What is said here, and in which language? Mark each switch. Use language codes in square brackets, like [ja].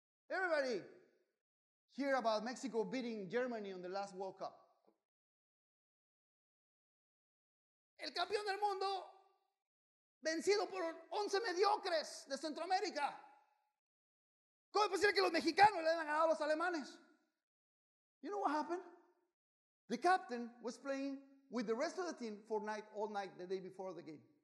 [en] Everybody hear about Mexico beating Germany on the last World Cup. [es] El campeón del mundo vencido por 11 mediocres de Centroamérica. ¿Cómo es posible que los mexicanos le hayan ganado a los alemanes? [en] You know what happened? The captain was playing with the rest of the team Fortnite all night the day before the game.